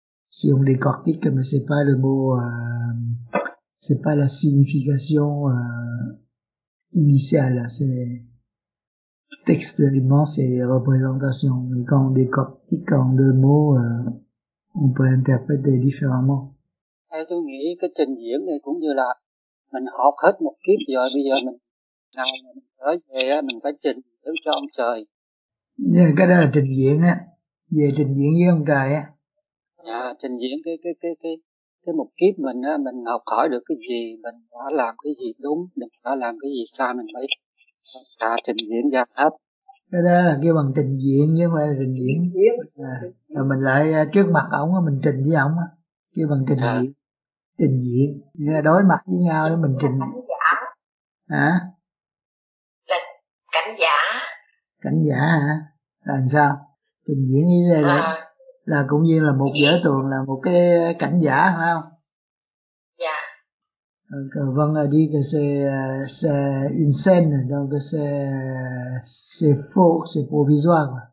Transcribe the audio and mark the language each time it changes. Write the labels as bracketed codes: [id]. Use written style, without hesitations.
[fr] Si on décortique, mais c'est pas le mot, c'est pas la signification initiale. C'est textuellement, c'est représentation. Mais quand on décortique en deux mots, on peut interpréter différemment. [vi] Theo tôi nghĩ cái trình diễn này cũng như là mình học hết một kiếp rồi, bây giờ mình ngày mình trở về mình phải trình diễn cho ông trời. Yeah, cái đó là trình diễn á. Về trình diễn với ông trời á. Dạ, trình diễn cái một kiếp mình á, mình học hỏi được cái gì, mình đã làm cái gì đúng, mình đã làm cái gì sai, mình phải trả trình diễn ra hết. Cái đó là kêu bằng trình diễn chứ không phải là trình diễn. Rồi mình lại trước mặt ổng á, mình trình với ổng á, kêu bằng trình diễn. Trình diễn, đối mặt với nhau đó mình trình diễn. Hả? Cảnh giả. Cảnh giả hả? Làm sao? Trình diễn như thế này là cũng như là một vở tuồng, là một cái cảnh giả phải không? Dạ. Yeah. [fr] Vâng, đi que c'est une scène, donc c'est faux, c'est provisoire.